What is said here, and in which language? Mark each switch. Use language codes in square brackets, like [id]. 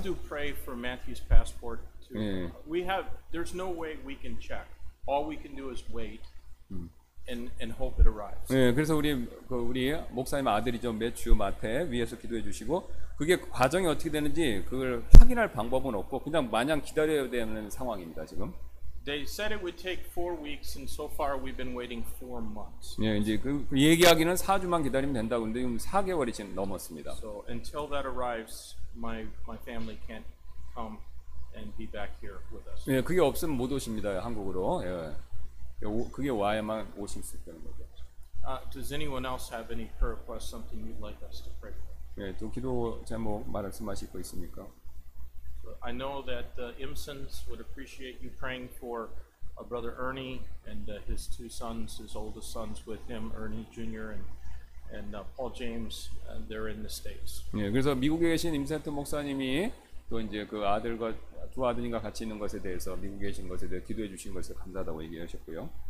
[en] Please do pray for Matthew's passport to. 예. We have there's no way we can check. All we can do is wait. And hope it arrives. [ko] 예, 그래서 우리 그 우리 목사님 아들이죠. 매주 마태 위에서 기도해 주시고 그게 과정이 어떻게 되는지 그걸 확인할 방법은 없고 그냥 마냥 기다려야 되는 상황입니다, 지금. [en] They said it would take 4 weeks and so far we've been waiting 4 months. [ko] 예, 이제 그 얘기하기는 4주만 기다리면 된다고 근데 지금 4개월이 지금 넘었습니다. [en] So until that arrives, my family can't come and be back here with us. [ko] 예, 그게 없으면 못 오십니다. 한국으로. 예. 그게 와야만 오실 수 있다는 거죠. [en] Does anyone else have any prayer request, something you'd like us to pray for? [ko] 예, 또 기도 제목 말씀하실 거 있습니까? [en] So I know that the Imsons would appreciate you praying for a brother Ernie and his two sons, his oldest sons with him, Ernie Jr. and Paul James, and they're in the States. [ko] 예, 그래서 미국에 계신 임센트 목사님이 또 이제 그 아들과 두 아드님과 같이 있는 것에 대해서 미국에 계신 것에 대해 기도해 주신 것에 감사하다고 얘기하셨고요.